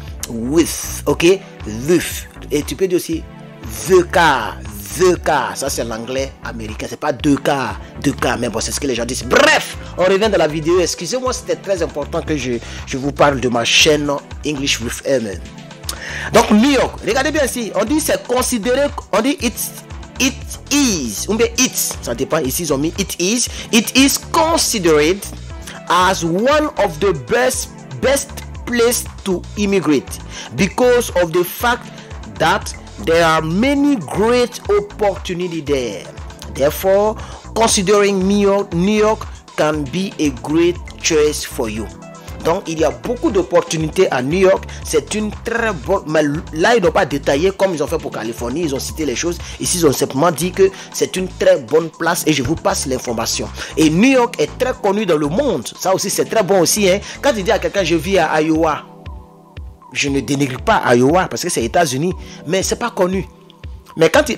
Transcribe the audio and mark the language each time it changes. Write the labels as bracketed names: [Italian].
[French] With, ok, with, et tu peux dire aussi the car, ça c'est l'anglais américain, c'est pas the car, mais bon, c'est ce que les gens disent. Bref, on revient dans la vidéo, excusez-moi, c'était très important que je vous parle de ma chaîne English with Herman. Donc, New York, regardez bien ici, on dit c'est considéré, on dit [English] it's it is, [French] ou bien it, ça dépend, ici ils ont mis [English] it is considered as one of the best place to immigrate because of the fact that there are many great opportunities there. Therefore, considering New York can be a great choice for you. [French] Donc, il y a beaucoup d'opportunités à New York. C'est une très bonne... Mais là, ils n'ont pas détaillé comme ils ont fait pour Californie. Ils ont cité les choses. Ici, ils ont simplement dit que c'est une très bonne place et je vous passe l'information. Et New York est très connu dans le monde. Ça aussi, c'est très bon aussi. Hein? Quand tu dis à quelqu'un, je vis à Iowa, je ne dénigre pas Iowa parce que c'est États-Unis, mais ce n'est pas connu. Mais quand tu...